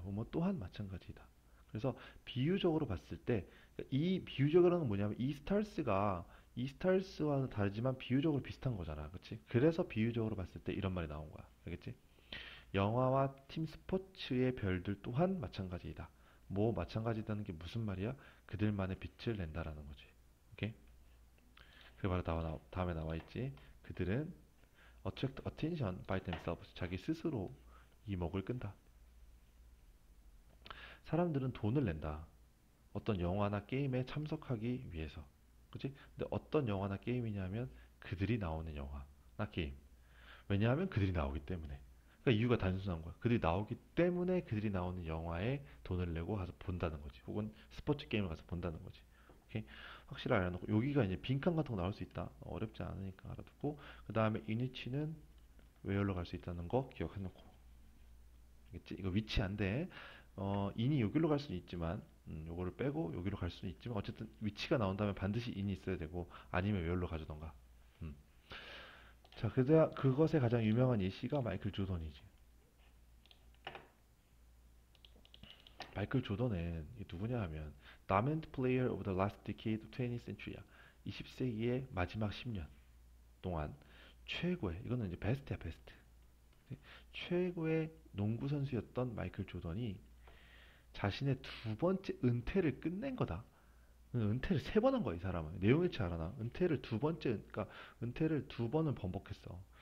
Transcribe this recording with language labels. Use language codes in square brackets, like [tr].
[ko] 뭐뭐 또한 마찬가지이다. 그래서 비유적으로 봤을 때이 비유적으로는 뭐냐면 이 스타일스가 이 스타일스와는 다르지만 비유적으로 비슷한 거잖아. 그치? 그래서 비유적으로 봤을 때 이런 말이 나온 거야. 알겠지? 영화와 팀 스포츠의 별들 또한 마찬가지이다. 뭐 마찬가지다는 게 무슨 말이야? 그들만의 빛을 낸다라는 거지. 오케이? 그게 바로 다음에 나와 있지. 그들은 [en] attract attention by themselves. [ko] 자기 스스로 이목을 끈다. 사람들은 돈을 낸다. 어떤 영화나 게임에 참석하기 위해서. 그치? 근데 어떤 영화나 게임이냐면 그들이 나오는 영화나 게임. 왜냐하면 그들이 나오기 때문에. 이유가 단순한 거야. 그들이 나오기 때문에 그들이 나오는 영화에 돈을 내고 가서 본다는 거지. 혹은 스포츠 게임을 가서 본다는 거지. 오케이? 확실히 알아놓고 여기가 이제 빈칸 같은 거 나올 수 있다. 어렵지 않으니까 알아두고 그 다음에 in which는 where로 갈수 있다는 거 기억해놓고. 알겠지? 이거 위치 안 돼. in이 여기로 갈 수는 있지만 요거를 빼고 여기로 갈 수는 있지만 어쨌든 위치가 나온다면 반드시 in이 있어야 되고 아니면 where로 가져던가. 자, 그것의 가장 유명한 예시가 마이클 조던이지. 마이클 조던은 누구냐 하면 [en] Dominant player of the last decade of 20th century야. [ko] 20세기의 마지막 10년 동안 최고의, 이거는 이제 베스트야, 베스트. 최고의 농구 선수였던 마이클 조던이 자신의 두 번째 은퇴를 끝낸 거다. 은퇴를 세번한 거야, 이 사람은. 내용이 잘 알아. 은퇴를 두 번째, 그러니까 은퇴를 두 번은 번복했어.